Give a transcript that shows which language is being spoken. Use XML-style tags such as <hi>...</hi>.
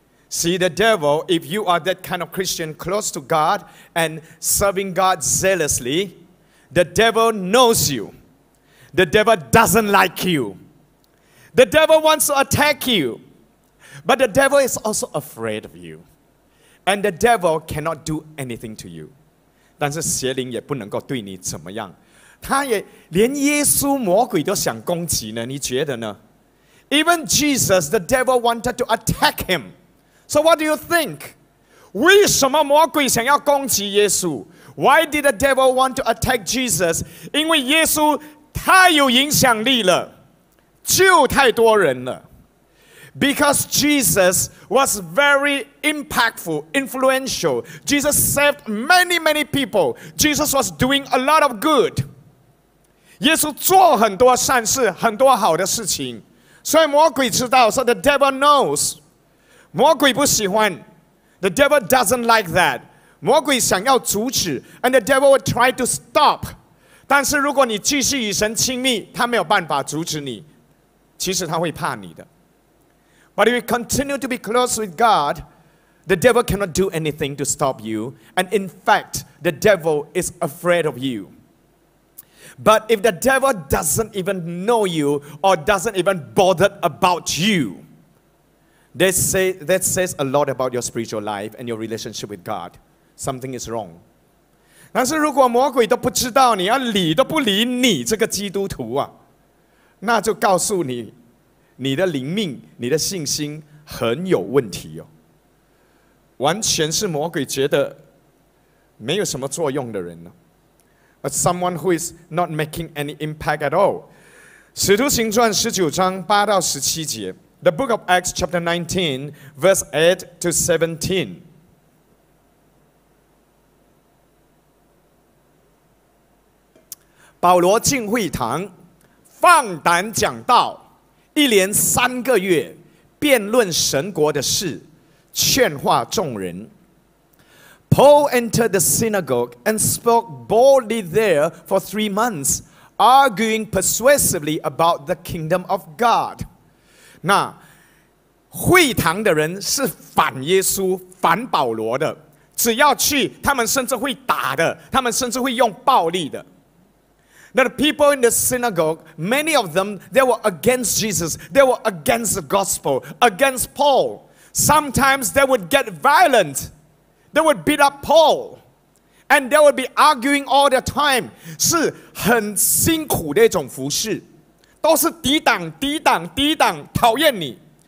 <en>See the devil, if you are that kind of Christian close to God and serving God zealously, the devil knows you. The devil doesn't like you. The devil wants to attack you. But the devil is also afraid of you. And the devil cannot do anything to you.</en> <zh>但是邪灵也不能够对你怎么样。他也连耶稣魔鬼都想攻击呢，你觉得呢？</zh> <en>Even Jesus, the devil wanted to attack him. So what do you think?</en> <zh>为什么魔鬼想要攻击耶稣?</zh> <en>Why did the devil want to attack Jesus?</en> <zh>因为耶稣太有影响力了，救太多人了。</zh> <en>Because Jesus was very impactful, influential. Jesus saved many, many people. Jesus was doing a lot of good.</en> <zh>耶稣做很多善事，很多好的事情。所以魔鬼知道，</zh> <en>so the devil knows.</en> <zh>魔鬼不喜欢，</zh> <en>The devil doesn't like that.</en> <zh>魔鬼想要阻止，</zh> <en>And the devil will try to stop.</en> <zh>但是如果你继续与神亲密，他没有办法阻止你，其实他会怕你的。</zh> <en>But if you continue to be close with God, the devil cannot do anything to stop you. And in fact, the devil is afraid of you. But if the devil doesn't even know you or doesn't even bother about youThat says a lot about your spiritual life and your relationship with God. Something is wrong.</en> <zh>但是如果魔鬼都不知道你，要理都不理你这个基督徒啊，那就告诉你，你的灵命，你的信心很有问题哦。完全是魔鬼觉得没有什么作用的人呢。</zh> <en>But someone who is not making any impact at all.</en> <zh>使徒行传19:8-17.</zh> <en>The book of Acts, chapter 19, verse 8 to 17.</en> <zh>Paulo 进会堂，放胆讲道，一连三个月，辩论神国的事，劝化众人。</zh> <en>Paul entered the synagogue and spoke boldly there for 3 months, arguing persuasively about the kingdom of God.</en> <zh>那会堂的人是反耶稣、反保罗的，只要去，他们甚至会打的，他们甚至会用暴力的。</zh> <en>Now the people in the synagogue, many of them, they were against Jesus, they were against the gospel, against Paul. Sometimes they would get violent, they would beat up Paul, and they would be arguing all the time.</en> <zh>是很辛苦的一种服事。都是抵挡抵挡抵挡讨厌你。</zh>